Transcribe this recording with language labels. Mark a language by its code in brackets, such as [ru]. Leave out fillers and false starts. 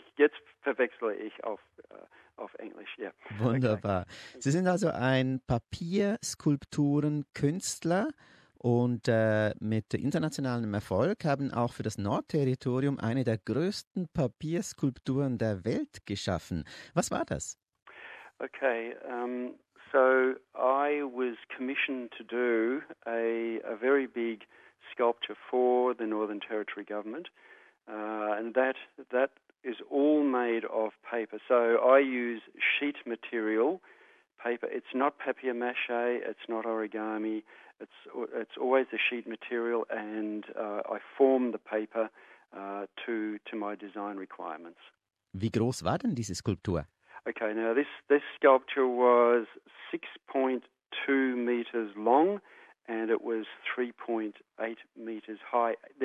[de] Jetzt verwechsle ich auf Englisch. Ja. Wunderbar. Okay. Sie sind also ein Papierskulpturenkünstler und mit internationalem Erfolg haben auch für das Nordterritorium eine der größten Papierskulpturen der Welt geschaffen. Was war das? [en] Okay, so I was commissioned to do a very big sculpture for the Northern Territory government. And that is all made of paper. So I use sheet material, paper. It's not papier-mâché, it's not origami, it's always the sheet material, and I form the paper to my design requirements. [de] Wie groß war denn diese Skulptur? [en] Okay, now this sculpture was 6.2 meters long, and it was 3.8 meters high.